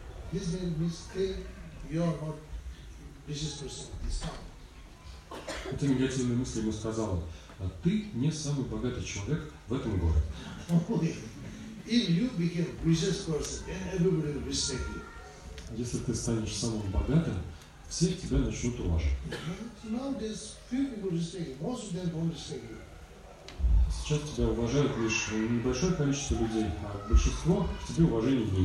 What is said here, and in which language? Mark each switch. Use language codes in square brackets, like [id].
[en] This means, you are not business person of this town. [ru] Эта негативная мысль ему сказала: ты не самый богатый человек в этом городе. [en] If you become business person, then everybody will respect you. [ru] Если ты станешь самым богатым, все тебя начнут уважать. Сейчас тебя уважают лишь небольшое количество людей, а большинство к тебе уважения не